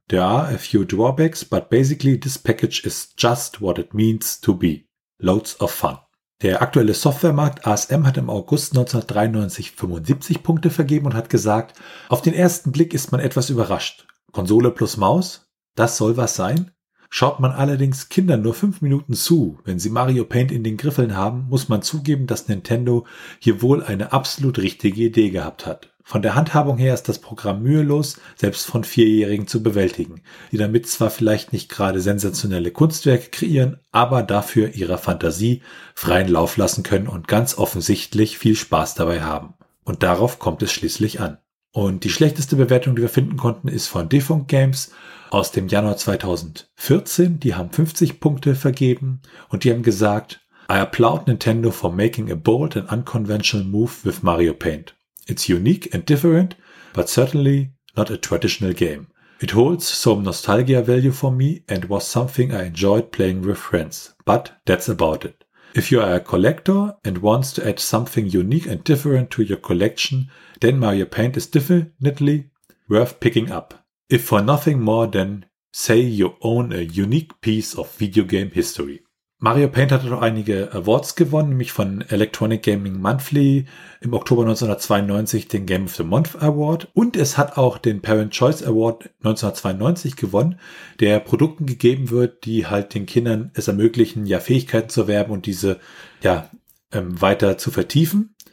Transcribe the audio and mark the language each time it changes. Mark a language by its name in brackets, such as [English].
[English] There are a few drawbacks, but basically this package is just what it means to be. Loads of fun. [German] Der aktuelle Softwaremarkt ASM hat im August 1993 75 Punkte vergeben und hat gesagt, auf den ersten Blick ist man etwas überrascht. Konsole plus Maus? Das soll was sein? Schaut man allerdings Kindern nur 5 Minuten zu, wenn sie Mario Paint in den Griffeln haben, muss man zugeben, dass Nintendo hier wohl eine absolut richtige Idee gehabt hat. Von der Handhabung her ist das Programm mühelos, selbst von Vierjährigen zu bewältigen, die damit zwar vielleicht nicht gerade sensationelle Kunstwerke kreieren, aber dafür ihrer Fantasie freien Lauf lassen können und ganz offensichtlich viel Spaß dabei haben. Und darauf kommt es schließlich an. Und die schlechteste Bewertung, die wir finden konnten, ist von Defunct Games aus dem Januar 2014. Die haben 50 Punkte vergeben und die haben gesagt, [English] I applaud Nintendo for making a bold and unconventional move with Mario Paint. It's unique and different, but certainly not a traditional game. It holds some nostalgia value for me and was something I enjoyed playing with friends, but that's about it. If you are a collector and wants to add something unique and different to your collection, then Mario Paint is definitely worth picking up. If for nothing more than, say, you own a unique piece of video game history. [German] Mario Paint hat noch einige Awards gewonnen, nämlich von Electronic Gaming Monthly im Oktober 1992 den Game of the Month Award und es hat auch den Parent Choice Award 1992 gewonnen, der Produkten gegeben wird, die halt den Kindern es ermöglichen, ja Fähigkeiten zu erwerben und diese ja weiter zu vertiefen.